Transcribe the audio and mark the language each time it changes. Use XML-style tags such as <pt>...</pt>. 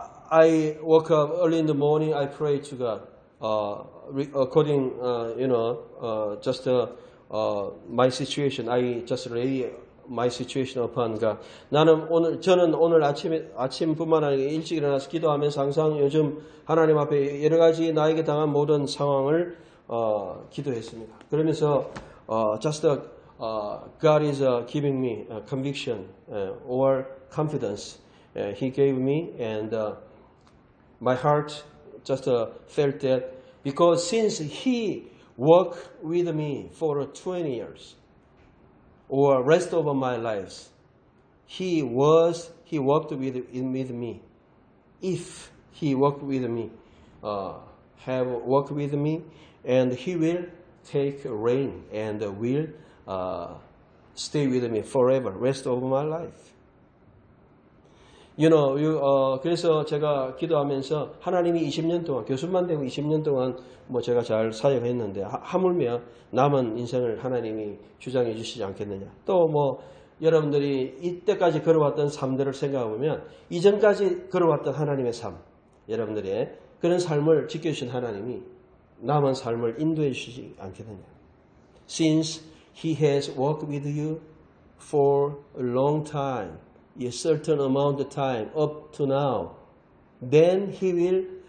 <en>I woke up early in the morning, I pray to God, my situation. I just lay my situation upon God.</en> <ko>저는 오늘 아침뿐만 아니라 일찍 일어나서 기도하면서 항상 요즘 하나님 앞에 여러 가지 나에게 당한 모든 상황을 기도했습니다. 그러면서</ko> <en>God is giving me a conviction or confidence He gave me, and my heart just felt that because since He work with me for 20 years or rest of my lives. He worked with me. If he worked with me, have worked with me, and he will take rain and will stay with me forever, rest of my life. You know, you,</en> <ko>그래서 제가 기도하면서 하나님이 20년 동안, 교수만 되고 20년 동안 뭐 제가 잘 사역했는데 하물며 남은 인생을 하나님이 주장해 주시지 않겠느냐. 또 뭐 여러분들이 이때까지 걸어왔던 삶들을 생각해보면 이전까지 걸어왔던 하나님의 삶, 여러분들의 그런 삶을 지켜주신 하나님이 남은 삶을 인도해 주시지 않겠느냐.</ko> <en>Since he has worked with you for a long time, a certain amount of time up to now, then he will</en>